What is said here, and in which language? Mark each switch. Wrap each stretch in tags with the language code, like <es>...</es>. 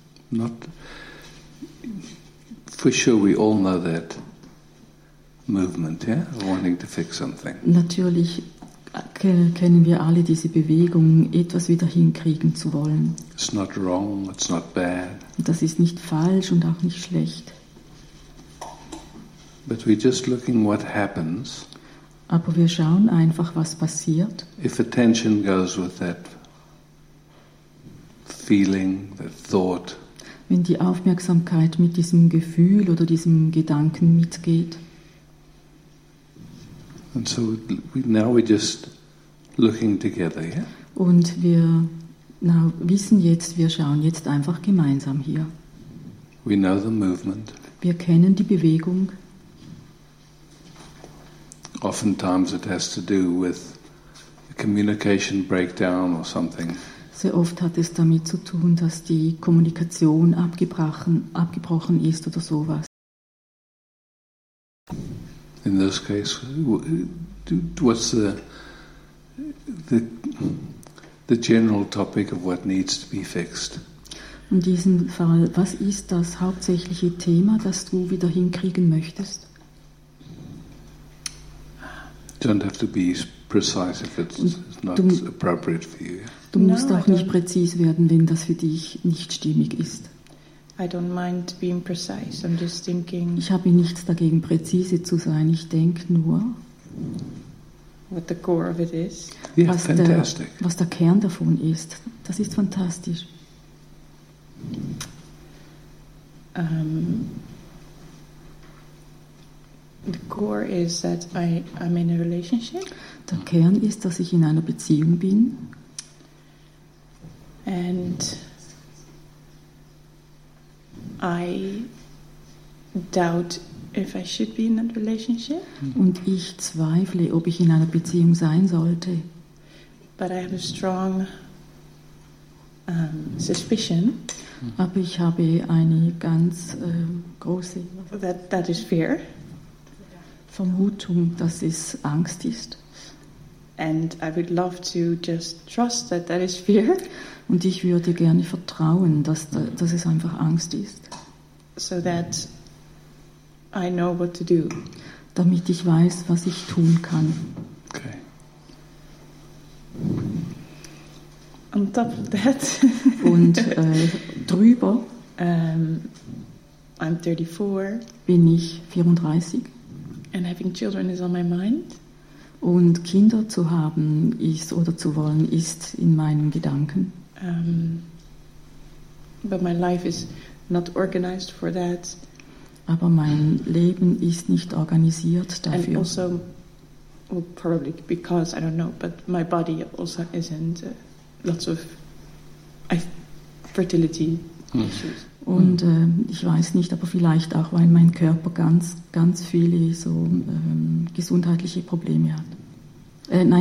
<en>Not for sure we all know that movement, yeah? Wanting to fix something.</en> <de>Natürlich kennen wir alle diese Bewegung, etwas wieder hinkriegen zu wollen.</de> <en>It's not wrong, it's not bad.</en> <de>Das ist nicht falsch und auch nicht schlecht.</de> <en>But we're just looking what happens.</en> <de>Aber wir schauen einfach, was passiert.</de> <en>If attention goes with that feeling, that thought.</en> <de>Wenn die Aufmerksamkeit mit diesem Gefühl oder diesem Gedanken mitgeht.</de> <en>And so now we're just looking together, yeah?</en> <de>Und wir wissen jetzt, wir schauen jetzt einfach gemeinsam hier.</de> <en>We know the movement.</en> <de>Wir kennen die Bewegung.</de> <en>Oftentimes it has to do with a communication breakdown or something.</en> <de>Sehr oft hat es damit zu tun, dass die Kommunikation abgebrochen ist oder sowas.</de> <en>In this case, what's the general topic of what needs to be fixed?</en> <de>In diesem Fall, was ist das hauptsächliche Thema, das du wieder hinkriegen möchtest?</de> <en>Don't have to be precise if it's not appropriate for you.</en> <de>Du musst auch nicht präzise werden, wenn das für dich nicht stimmig ist.</de> <en>I don't mind being precise. I'm just thinking.</en> <de>Ich habe nichts dagegen, präzise zu sein. Ich denke nur,</de> <en>what the core of it is.</en> <de>Was der Kern davon ist. Das ist fantastisch.</de> <en>The core is that I'm in a relationship.</en> <de>Der Kern ist, dass ich in einer Beziehung bin.</de> <en>And I doubt if I should be in that relationship.</en> <de>Und ich zweifle, ob ich in einer Beziehung sein sollte.</de> <en>But I have a strong suspicion.</en> <de>Aber ich habe eine ganz große.</de> <en>That is fear.</en> <de>Vermutung, dass es Angst ist.</de> <en>And I would love to just trust that that is fear.</en> <de>Und ich würde gerne vertrauen, dass es einfach Angst ist.</de> <en>So that I know what to do.</en> <de>Damit ich weiß, was ich tun kann.</de> <en>Okay. On top of that.</en> <de>Und drüber.</de> <en>I'm 34.</en> <de>Bin ich 34.</de> <en>And having children is on my mind.</en> <de>Und Kinder zu haben ist oder zu wollen ist in meinen Gedanken.</de> <en>But my life is not organized for that.</en> <de>Aber mein Leben ist nicht organisiert dafür.</de> <en>And also, well, probably because I don't know, but my body also isn't. Lots of fertility issues.</en> <de>Und ich weiß nicht, aber vielleicht auch, weil mein Körper ganz, ganz viele so gesundheitliche Probleme hat.</de>